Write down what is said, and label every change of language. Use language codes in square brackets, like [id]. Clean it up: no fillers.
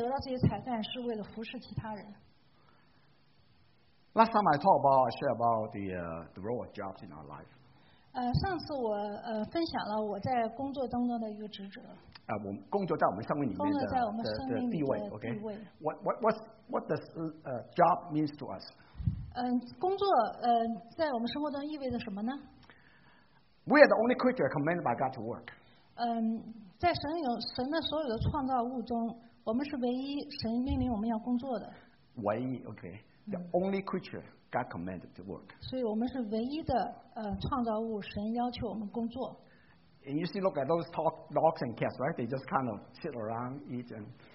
[zh] 这个目的让我们得到这些才干是为了服侍其他人。 [en] Last time I talked about, share about the role of jobs in our life. [zh] 上次我分享了我在工作当中的一个职责。工作在我们生命里面的地位, [en] okay? What does job means to us? [zh] 工作在我们生活当中意味着什么呢？ [en] We are the only creature commanded by God to work. [zh] 在神的所有的创造物中，我们是唯一神命令我们要工作的。 [en] 唯一, okay. The only creature God commanded to work. [zh] 所以我们是唯一的创造物，神要求我们工作。 [en] And you see, look at those dogs and cats, right? They just kind of sit around, eat and...